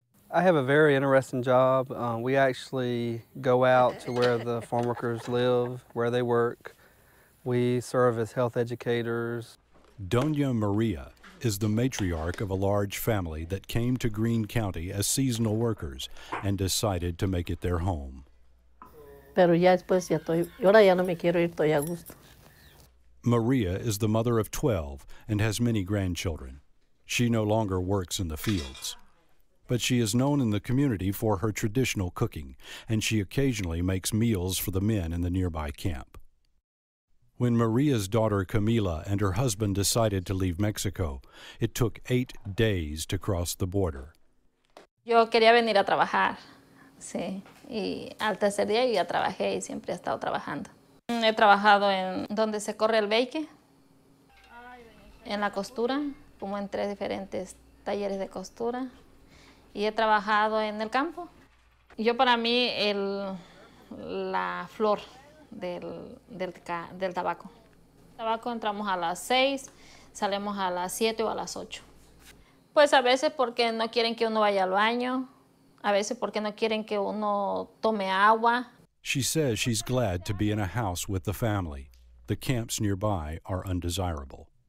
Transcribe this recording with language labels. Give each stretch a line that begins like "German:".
English: I have a very interesting job. We actually go out to where the farm workers live, where they work. We serve as health educators. Doña María is the matriarch of a large family that came to Greene County as seasonal workers and decided to make it their home.
Spanish: Pero ya después ya estoy, ahora ya no me quiero ir, estoy a gusto.
English: María is the mother of 12 and has many grandchildren. She no longer works in the fields. But she is known in the community for her traditional cooking, and she occasionally makes meals for the men in the nearby camp. When Maria's daughter Camila and her husband decided to leave Mexico, it took 8 days to cross the border.
Spanish: Yo quería venir a trabajar, sí. Y al tercer día ya trabajé y siempre he estado trabajando. He trabajado en donde se corre el bacon, en la costura, como en tres diferentes talleres de costura. Y he trabajado en el campo. Yo para mí el la flor del tabaco. El tabaco entramos a las 6, salemos a las 7 o a las 8. Pues a veces porque no quieren que uno vaya al baño, a veces porque no quieren que uno tome agua.
English: She says she's glad to be in a house with the family. The camps nearby are undesirable.